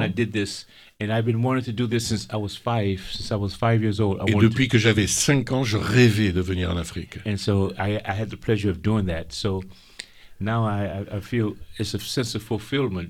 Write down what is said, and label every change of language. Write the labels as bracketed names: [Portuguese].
[English] And I did this, and I've been wanting to do this since I was 5. Since I was 5 years old. [French] Et depuis que j'avais 5 ans, je rêvais de venir en Afrique. [English] And so I had the pleasure of doing that. So now I feel it's a sense of fulfillment.